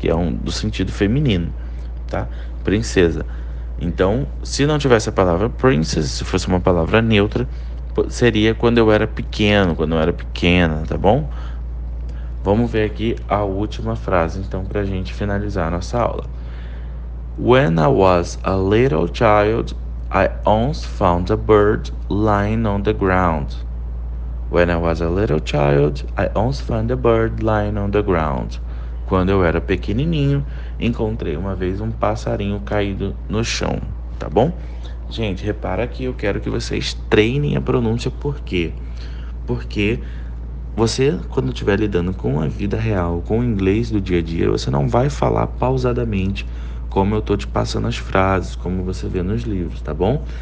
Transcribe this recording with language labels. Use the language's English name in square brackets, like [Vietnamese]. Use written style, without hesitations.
[Portuguese] Que é um do sentido feminino, tá? Princesa. Então, se não tivesse a palavra princess, se fosse uma palavra neutra, seria quando eu era pequeno, quando eu era pequena, tá bom? Vamos ver aqui a última frase, então, para a gente finalizar a nossa aula. [English] When I was a little child, I once found a bird lying on the ground. When I was a little child, I once found a bird lying on the ground. [Portuguese] Quando eu era pequenininho, encontrei uma vez um passarinho caído no chão. Tá bom? Gente, repara que eu quero que vocês treinem a pronúncia. Por quê? Porque você, quando estiver lidando com a vida real, com o inglês do dia a dia, você não vai falar pausadamente, como eu tô te passando as frases, como você vê nos livros, tá bom?